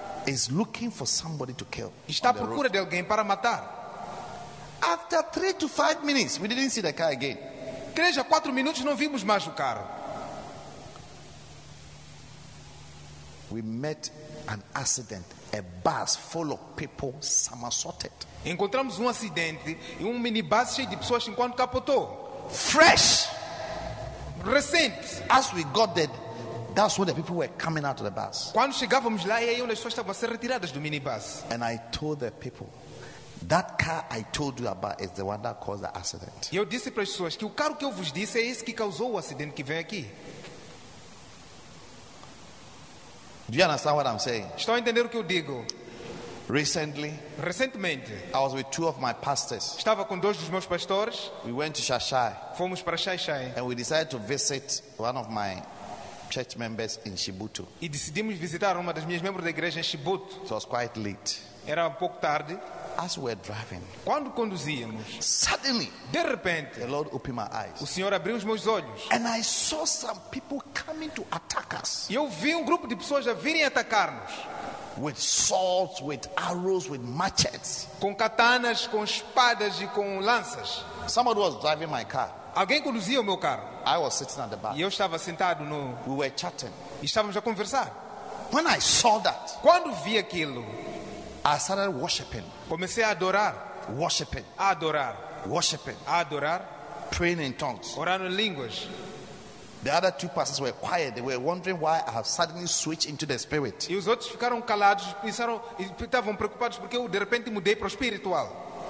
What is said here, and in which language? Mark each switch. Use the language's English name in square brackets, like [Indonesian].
[English] Is looking for somebody to kill. [Portuguese] Está à procura de alguém para matar. [English] After 3 to 5 minutes, we didn't see the car again. [Portuguese] 3 a 4 minutos não vimos mais o carro. [English] We met an accident. A bus full of people somersaulted. [Portuguese] Encontramos acidente e minibus cheio de pessoas enquanto capotou. [English] Fresh. [Portuguese] Recente. [English] As we got there, that's when the people were coming out of the bus. [Portuguese] Quando chegávamos lá, aí onde as pessoas estavam a ser retiradas do minibus. [English] And I told the people, that car I told you about is the one that caused the accident. [Portuguese] Eu disse para as pessoas que o carro que eu vos disse é esse que causou o acidente que vem aqui. [English] Do you understand what I'm saying? [Portuguese] Estão a entender o que eu digo? [English] Recently, I was with 2 of my pastors. [Portuguese] Estava com 2 dos meus pastores. [English] We went to Shashai. [Portuguese] Fomos para Shashai. [English] And we decided to visit one of my church members in Shibuto. [Portuguese] E decidimos visitar uma das minhas membros da igreja em Shibuto. [English] So it was quite late. [Portuguese] Era um pouco tarde. [English] As we were driving, [Portuguese] quando conduzíamos, [English] suddenly, [Portuguese] de repente, [English] the Lord opened my eyes. [Portuguese] O Senhor abriu os meus olhos. [English] And I saw some people coming to attack us. [Portuguese] E eu vi grupo de pessoas a virem atacar-nos. [English] With swords, with arrows, with machetes. [Portuguese] Com katanas, com espadas e com lanças. [English] Somebody was driving my car. [Portuguese] Alguém conduzia o meu carro. [English] I was sitting at the back. [Portuguese] E eu estava sentado no. [English] We were chatting. [Portuguese] E estávamos a conversar. [English] When I saw that, [Portuguese] quando vi aquilo, [English] I started worshiping. [Portuguese] Comecei a adorar. [English] Worshiping. [Portuguese] A adorar. [English] Worshiping. [Portuguese] A adorar. [English] Praying in tongues. [Portuguese] Orando em línguas. [English] The other two pastors were quiet. They were wondering why I have suddenly switched into the spirit. [Portuguese] E os outros ficaram calados, pensaram, estavam preocupados porque eu de repente mudei para o espiritual.